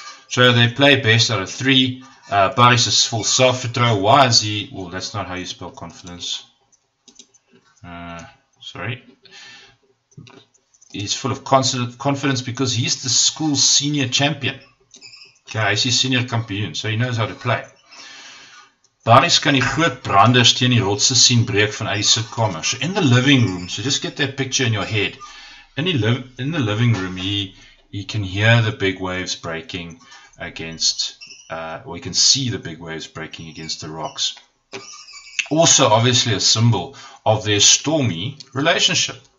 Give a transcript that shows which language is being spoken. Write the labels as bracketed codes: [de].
[en] So they play best out of three. Baris is full self-control. Why is he? Well, that's not how you spell confidence. He's full of confidence because he's the school's senior champion. Okay, he's his senior kampioen, so he knows how to play. [af] Baris kan die groot branders teen die rotse sien breek van uit sy kamer. [en] So in the living room, so just get that picture in your head. In the living room, he can hear the big waves breaking against, or he can see the big waves breaking against the rocks. Also, obviously, a symbol of their stormy relationship.